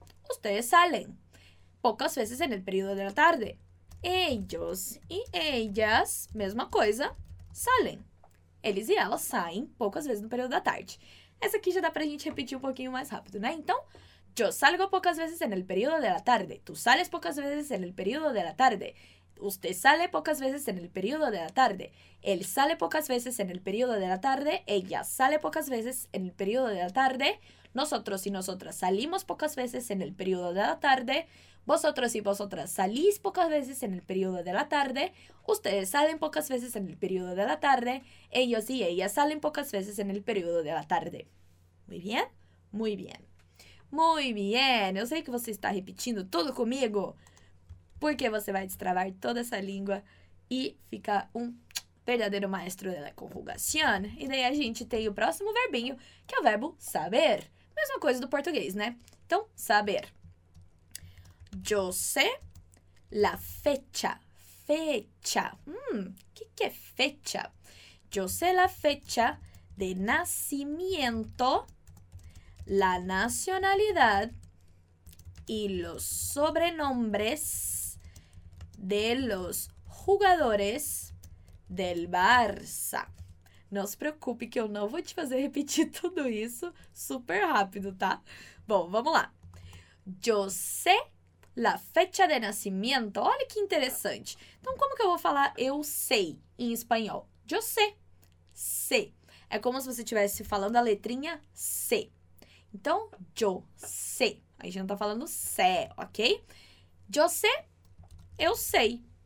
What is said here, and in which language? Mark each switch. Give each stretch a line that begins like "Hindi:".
Spanish: Ustedes salen
Portuguese: poucas vezes
Spanish: en el período de la tarde.
Portuguese: Ellos e ellas, mesma coisa, salem. Eles e elas saem poucas vezes no período da tarde. Essa aqui já dá pra gente repetir um pouquinho mais rápido, né?
Spanish: Então, yo salgo pocas veces en el periodo de la tarde. Tú sales pocas veces en el periodo de la tarde. Usted sale pocas veces en el periodo de la tarde. Él sale pocas veces en el periodo de la tarde. Ella sale pocas veces en el periodo de la tarde. Nosotros y nosotras salimos pocas veces en el periodo de la tarde. Vosotros y vosotras salís pocas veces en el periodo de la tarde. Ustedes salen pocas veces en el periodo de la tarde. Ellos y ellas salen pocas veces en el periodo de la tarde. Muy bien, muy bien. Muy bien,
Portuguese: eu sei que você está repetindo tudo comigo, porque você vai destravar toda essa língua e ficar um verdadeiro maestro da conjugação. E daí a gente tem o próximo verbinho, que é o verbo saber. Mesma coisa do português, né?
Spanish: Então, saber. Yo sé la fecha. Fecha.
Portuguese: Que é fecha?
Spanish: Yo sé la fecha de nascimento, la nacionalidad y los sobrenombres de los jugadores del Barça.
Portuguese: Não se preocupe que eu não vou te fazer repetir tudo isso super rápido, tá? Bom, vamos lá.
Spanish: Yo sé la fecha de nacimiento.
Portuguese: Olha que interessante. Então, como que eu vou falar eu sei em espanhol?
Spanish: Yo sé.
Portuguese: Sé. É como se você estivesse falando a letrinha C. Então,
Spanish: yo sé.
Portuguese: A gente não tá falando sé, ok?
Spanish: Yo sé,
Portuguese: eu sei.